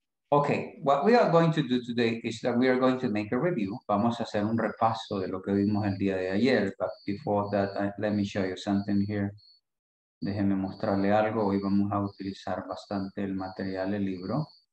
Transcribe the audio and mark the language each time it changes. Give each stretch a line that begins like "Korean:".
English: Ok, what we are going to do today is that we are going to make a review.
Spanish: Vamos a hacer un repaso de lo que vimos el día de ayer.
English: But before that, let me show you something here.
Spanish: Déjenme mostrarle algo. Hoy vamos a utilizar bastante el material, el libro.